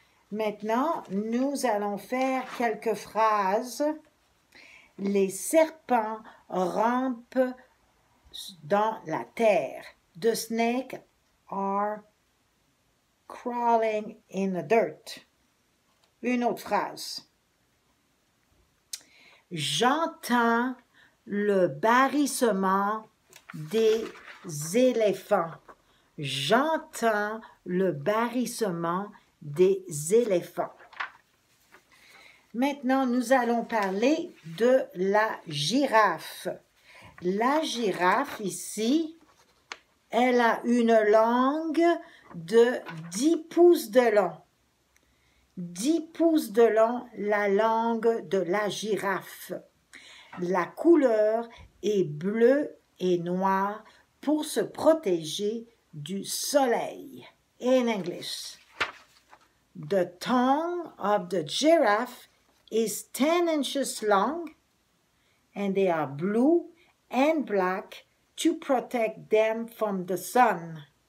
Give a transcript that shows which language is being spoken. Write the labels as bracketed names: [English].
[French] Maintenant, nous allons faire quelques phrases. Les serpents rampent dans la terre. [English] The snakes are crawling in the dirt. [French] Une autre phrase. J'entends le barrissement des éléphants. J'entends le barrissement des éléphants. Maintenant, nous allons parler de la girafe. La girafe, ici, elle a une langue de 10 pouces de long. 10 pouces de long, la langue de la girafe. La couleur est bleu et noir pour se protéger du soleil. [English] In English, the tongue of the giraffe is 10 inches long and they are blue and black to protect them from the sun.